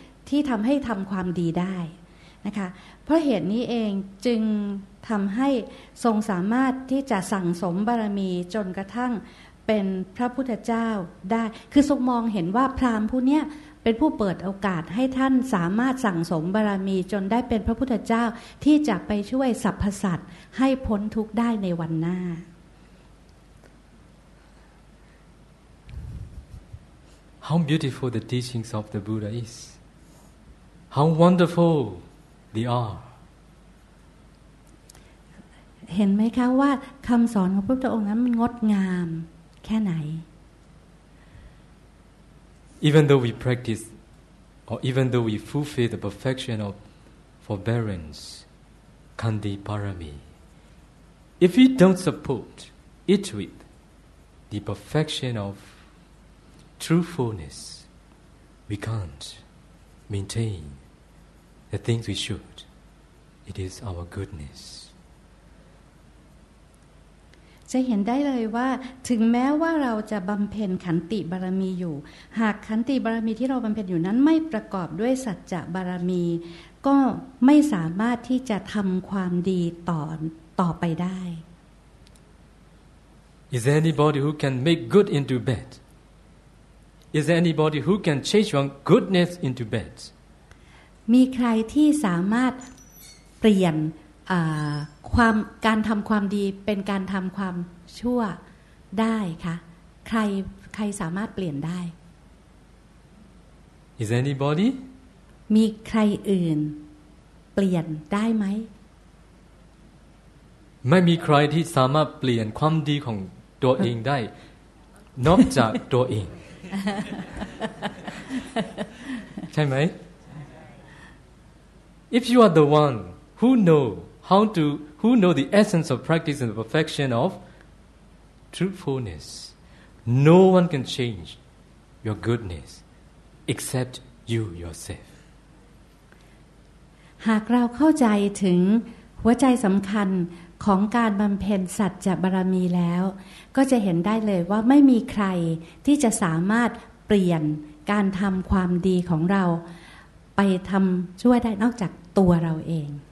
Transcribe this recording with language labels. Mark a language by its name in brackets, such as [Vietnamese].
[Thai] ที่ทำให้ทำความดีได้นะคะเพราะเหตุนี้เองจึงทำให้ทรงสามารถที่จะสั่งสมบารมีจนกระทั่งเป็นพระพุทธเจ้าได้คือทรงมองเห็นว่าพราหมณ์ผู้เนี้ยเป็นผู้เปิดโอกาสให้ท่านสามารถสั่งสมบารมีจนได้เป็นพระพุทธเจ้าที่จะไปช่วยสรรพสัตว์ให้พ้นทุกข์ได้ในวันหน้า [English] How beautiful the teachings of the Buddha is. How wonderful they are. [Thai] เห็นไหมคะว่าคำสอนของพระพุทธองค์นั้นมันงดงามแค่ไหน [English] Even though we practice or even though we fulfill the perfection of forbearance Khandi Parami if we don't support it with the perfection of truthfulness we can't maintain the things we should it is our goodness [Thai] จะเห็นได้เลยว่าถึงแม้ว่าเราจะบำเพ็ญขันติบารมีอยู่หากขันติบารมีที่เราบำเพ็ญอยู่นั้นไม่ประกอบด้วยสัจจะบารมีก็ไม่สามารถที่จะทำความดีต่อไปได้ [English] Is there anybody who can make good into bad? Is there anybody who can change from goodness into bad? [Thai] มีใครที่สามารถเปลี่ยนความการทำความดีเป็นการทำความชั่วได้คะใครสามารถเปลี่ยนได้ [English] Is anybody [Thai] มีใครอื่นเปลี่ยนได้ไหม ไม่มีใครที่สามารถเปลี่ยนความดีของตัวเองได้นอกจากตัวเองใช่ไหม [English] If you are the one who knowWho know the essence of practice and the perfection of truthfulness? No one can change your goodness except you yourself. [Thai] หากเราเข้าใจถึงหัวใจสำคัญของการบำเพ็ญสัจจะบารมีแล้วก็จะเห็นได้เลยว่าไม่มีใครที่จะสามารถเปลี่ยนการทำความดีของเราไปทำช่วยได้นอกจากตัวเราเอง